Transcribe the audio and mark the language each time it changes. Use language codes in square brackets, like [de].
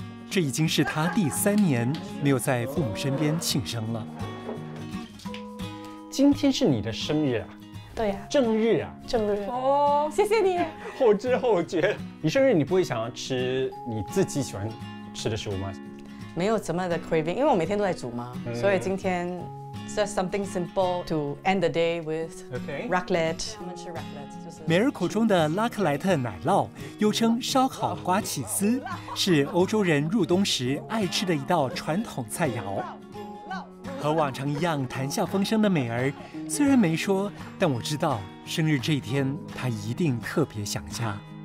[zh] 这已经是她第3年没有在父母身边庆生了。今天是你的生日啊？对呀、啊。正日啊？正日。哦，谢谢你。后知后觉，你生日你不会想要吃你自己喜欢吃的食物吗？没有怎么的 craving， 因为我每天都在煮嘛，所以今天。 [en] Just something simple to end the day with. Okay. [zh] Raclette. 我们吃 raclette 就是。美儿口中的拉克莱特奶酪，又称烧烤刮起司，是欧洲人入冬时爱吃的一道传统菜肴。和往常一样谈笑风生的美儿，虽然没说，但我知道生日这一天她一定特别想家。